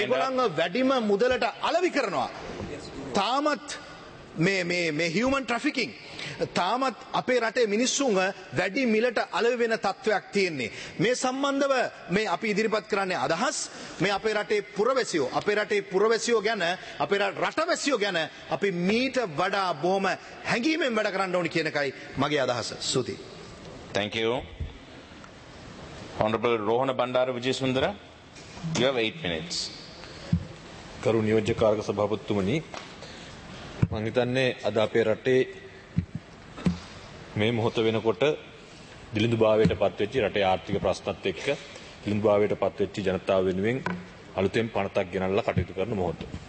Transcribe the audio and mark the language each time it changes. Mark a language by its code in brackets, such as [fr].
[si] ඒගොල්ලන්ව වැඩිම මුදලට අලෙවි කරනවා. තාමත් මේ මේ මේ හියුමන් ට්‍රැෆිකින් තාමත් අපේ රටේ මිනිස්සුන්ව වැඩි මිලට අලෙවි වෙන තත්වයක් තියෙන්නේ. මේ සම්බන්ධව මේ අපි ඉදිරිපත් කරන්නේ අදහස්. මේ අපේ රටේ පුරවැසියෝ, අපේ රටේ පුරවැසියෝ ගැන, අපේ රටවැසියෝ ගැන අපි මීට වඩා බොහොම හැඟීමෙන් වැඩ කරන්න ඕනි කියන එකයි මගේ අදහස. සුති. [en] Thank you. Honorable Rohana Bandara Wijesundara, you have 8 minutes. [si] කරු නියෝජ්‍ය කාර්ක සභාපතිතුමනි, මං හිතන්නේ අද අපේ රටේ මේ මොහොත වෙනකොට දිලිඳුභාවයට පත්වෙච්චි රටේ ආර්ථික ප්‍රශ්නත් එක්ක දිලිඳුභාවයට පත්වෙච්චි ජනතාව වෙනුවෙන් අලුතෙන් පනතක් ගෙනල්ලා කටයුතු කරන මොහොත.